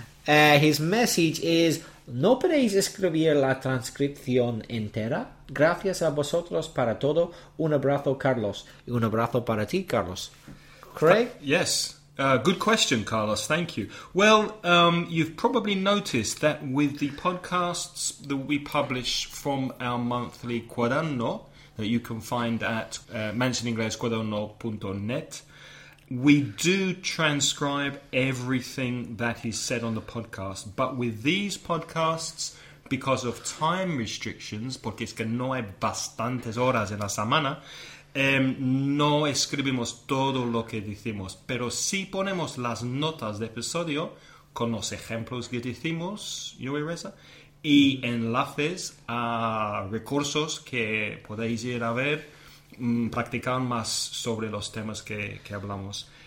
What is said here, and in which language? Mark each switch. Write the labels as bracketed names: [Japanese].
[English] His message is, [Spanish] no podéis escribir la transcripción entera. Gracias a vosotros para todo. Un abrazo, Carlos. Un abrazo para ti, Carlos. [English] Craig? Yes. Good question, Carlos. Thank you. Well, you've probably noticed that with the podcasts that we publish from our monthly cuaderno that you can find at mansioningrescuaderno.net, we do transcribe everything that is said on the podcast. But with these podcasts, because of time restrictions, [Spanish] porque es que no hay bastantes horas en la semana, no escribimos todo lo que decimos, pero sí ponemos las notas de episodio con los ejemplos que decimos, yo y Reza, y enlaces a recursos que podéis ir a ver, practicar más sobre los temas que hablamos.